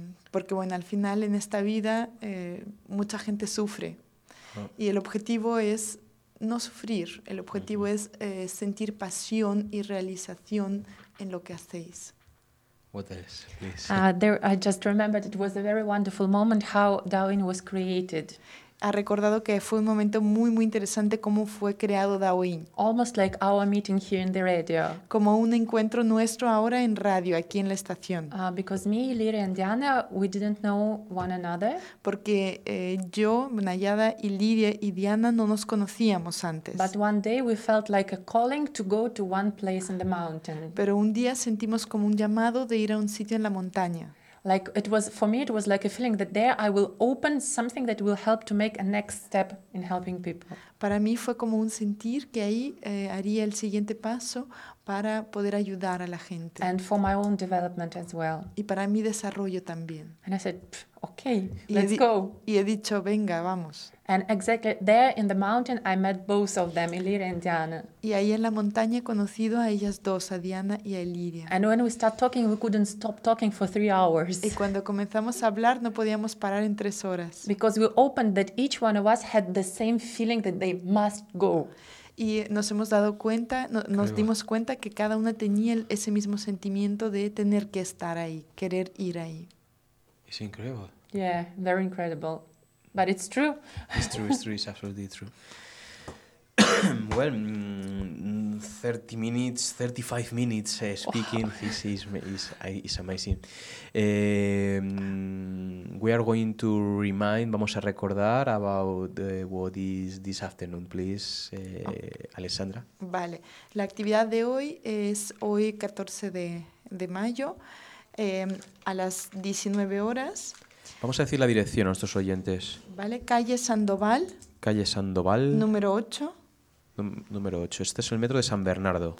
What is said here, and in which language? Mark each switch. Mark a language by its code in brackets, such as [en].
[es] Porque bueno, al final en esta vida mucha gente sufre y el objetivo es no sufrir, el objetivo es sentir pasión y realización en lo que hacéis. [en] What else, please? I just remembered it was a very wonderful moment how Dawin was created. [es] Ha recordado que fue un momento muy muy interesante cómo fue creado Dawin. [en] Almost like our meeting here in the radio. [es] Como un encuentro nuestro ahora en radio aquí en la estación. [en] Because me, Iliria and Diana, we didn't know one another. [es] Porque yo, Nayada, Iliria y Diana no nos conocíamos antes. [en] But one day we felt like a calling to go to one place in the mountain. [es] Pero un día sentimos como un llamado de ir a un sitio en la montaña. [en] Like it was for me, it was like a feeling that there I will open something that will help to make a next step in helping people. [es] Para mí fue como un sentir que ahí haría el siguiente paso para poder ayudar a la gente. [en] And for my own development as well. [es] Y para mi desarrollo también. [en] And I said, okay, let's go. [es] Y he dicho, venga, vamos. [en] And exactly there in the mountain, I met both of them, Iliria and Diana. [es] Y ahí en la montaña he conocido a ellas dos, a Diana y a Iliria. [en] And when we start talking, we couldn't stop talking for 3 hours. [es] Y cuando comenzamos a hablar, no podíamos parar en 3 horas. [en] Because we opened that each one of us had the same feeling that they must go. [es] Y nos hemos dado cuenta, nos dimos cuenta que cada una tenía ese mismo sentimiento de tener que estar ahí, querer ir ahí. [en] It's incredible. Yeah, very incredible. But it's true. It's true. It's absolutely true. Well, 30 minutes, 35 minutes speaking. Wow. This is amazing. We are going to remind, [es] vamos a recordar [en] about what is this afternoon, please, Alessandra. [es] Vale. La actividad de hoy es hoy 14 de mayo a las 19 horas. Vamos a decir la dirección a nuestros oyentes. Vale, calle Sandoval. Calle Sandoval. Número 8. Número 8. Este es el metro de San Bernardo.